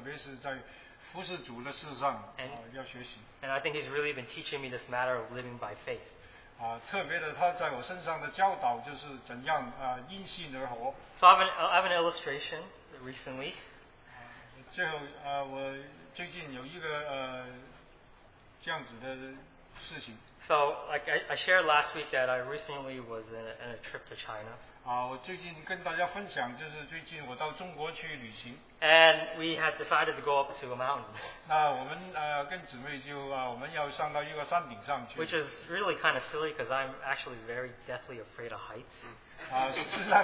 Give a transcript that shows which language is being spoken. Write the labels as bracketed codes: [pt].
[zh] 我想主要告诉要学习的就是在忍耐方面，特别是在服侍主的事上，要学习。 [en] And I think he's really been teaching me this matter of living by faith. [zh] 特别的他在我身上的教导就是怎样 因信而活。 [en] So I have an illustration recently. [zh] 最后我最近有一个 这样子的事情。 [en] So like I shared last week that I recently was in a trip to China. [zh] 我最近跟大家分享就是最近我到中国去旅行。 [en] And we had decided to go up to a mountain. [zh] 那我们跟姊妹就我们要上到一个山顶上去。 [en] Which is really kind of silly because I'm actually very deathly afraid of heights.